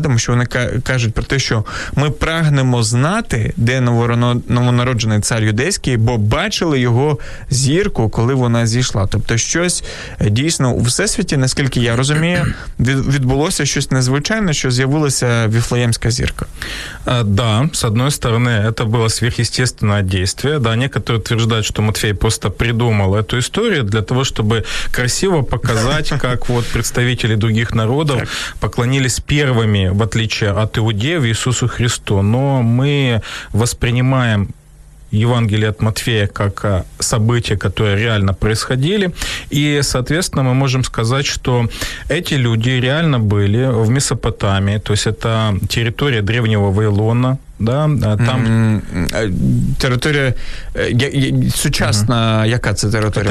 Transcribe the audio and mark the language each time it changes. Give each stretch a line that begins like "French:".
Ukrainian: Тому що вони кажуть про те, що ми прагнемо знати, де новонароджений цар юдейський, бо бачили його зірку, коли вона зійшла. Тобто щось дійсно у Всесвіті, наскільки я розумію, відбулося щось незвичайне, що з'явилася Віфлеємська зірка. Да, з одної сторони, це було сверхъестественне дійство. Да, некоторі утверждають, що Матфей просто придумав цю
Russian: историю для того, чтобы красиво показать, как вот представители других народов поклонились первыми, в отличие от иудеев, Иисусу Христу. Но мы воспринимаем Евангелие от Матфея как события, которые реально происходили. И, соответственно, мы можем сказать, что эти люди реально были в Месопотамии, то есть это территория древнего Вавилона, да, там
Ukrainian: территория сучасна, яка це територія?